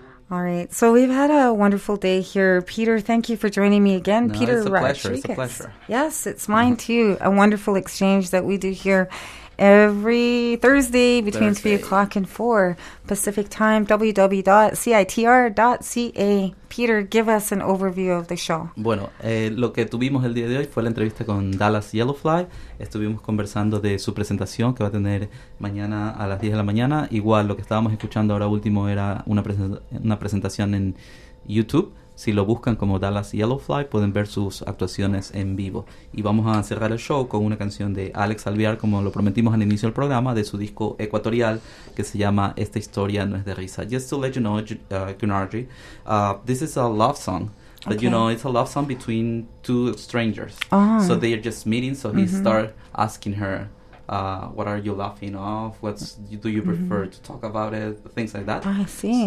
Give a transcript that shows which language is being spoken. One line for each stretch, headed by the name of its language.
English: All right, so we've had a wonderful day here. Peter, thank you for joining me again. No, Peter, it's a pleasure. It's a pleasure. Yes, it's mine too. A wonderful exchange that we do here every Thursday between 3 o'clock and 4 Pacific time, www.citr.ca. Peter, give us an overview of the show.
Spanish: Bueno, lo que tuvimos el día de hoy fue la entrevista con Dallas Yellowfly. Estuvimos conversando de su presentación que va a tener mañana a las 10 de la mañana. Igual, lo que estábamos escuchando ahora último era una presentación en YouTube. Si lo buscan como Dallas Yellowfly, pueden ver sus actuaciones en vivo. Y vamos a cerrar el show con una canción de Alex Alvear, como lo prometimos al inicio del programa, de su disco ecuatorial, que se llama Esta Historia No Es de Risa.
English: Just to let you know, Gunarji, this is a love song. But okay. You know, it's a love song between two strangers. Uh-huh. So they are just meeting, so he starts asking her, what are you laughing off? Do you prefer to talk about it? Things like that. I see.